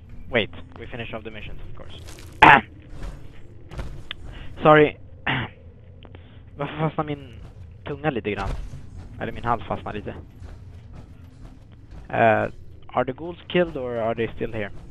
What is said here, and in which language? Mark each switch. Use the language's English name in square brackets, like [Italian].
[English] Wait, we finish off the missions, of course. Sorry. [Swedish] Varför fastnar min tunga lite grann? Eller min hals fastnar lite? [English] Are the ghouls killed or are they still here?